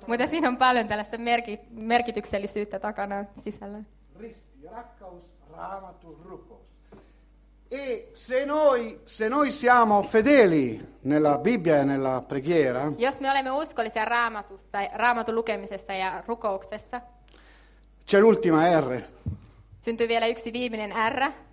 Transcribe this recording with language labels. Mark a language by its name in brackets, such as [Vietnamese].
[Finnish] Mutta siinä on paljon tällaista merkityksellisyyttä takana sisällä. Risti, rakkaus, raamatu, rukous. [Italian] E se noi siamo fedeli nella Bibbia e nella preghiera. [Finnish] Jos me olemme uskollisia Raamatussa, Raamatun lukemisessa ja rukouksessa. [Italian] C'è l'ultima R. [Finnish] Syntyy vielä yksi viimeinen R.